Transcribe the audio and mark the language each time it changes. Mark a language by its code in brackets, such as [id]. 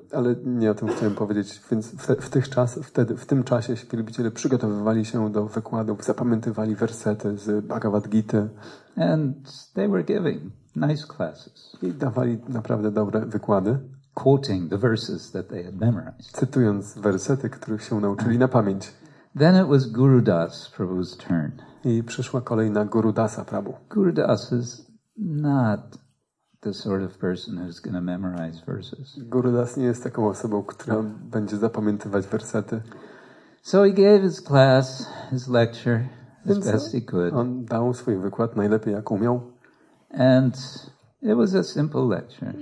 [pl] Ale nie o tym chciałem powiedzieć. Więc w tym czasie wielbiciele przygotowywali się do wykładów, zapamiętywali wersety z Bhagavad Gita. [en] And they were giving nice classes. [pl] I dawali naprawdę dobre wykłady. [en] Quoting the verses that they had memorized. [pl] Cytując wersety, których się nauczyli na pamięć. [en] Then it was Gurudas Prabhu's turn. [pl] I przyszła kolej na Gurudasa Prabhu. [en] Gurudas is not the sort of person who's going to memorize verses. [pl] Gurudas nie jest taką osobą, która będzie zapamiętywać wersety. [en] So he gave his class, his lecture, as best he could. [pl] On dał swój wykład najlepiej, jak umiał. [en] And it was a simple lecture.